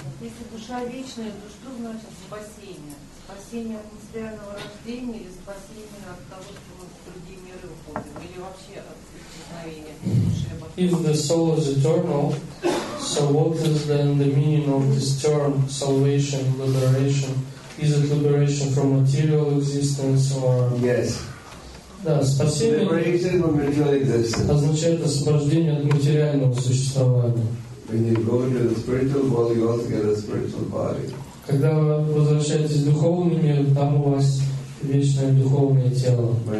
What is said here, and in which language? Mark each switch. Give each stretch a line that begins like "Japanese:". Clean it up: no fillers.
Russian: Если душа вечная, то что значит спасение? Спасение от материального рождения или спасение от того, что мы в другие миры уходим? Или вообще от исчезновения?
English: If the soul is eternal, so what is then the meaning of this term, salvation, liberation? Is it liberation from material existence or... Yes.
Russian: Да, спасение...
English: Liberation from material existence.
Russian: Означает освобождение от материального существования.
English: When you go to the spiritual world, you also get a spiritual body.
Russian: Когда вы возвращаетесь в духовный мир, там у вас... вечное духовное тело.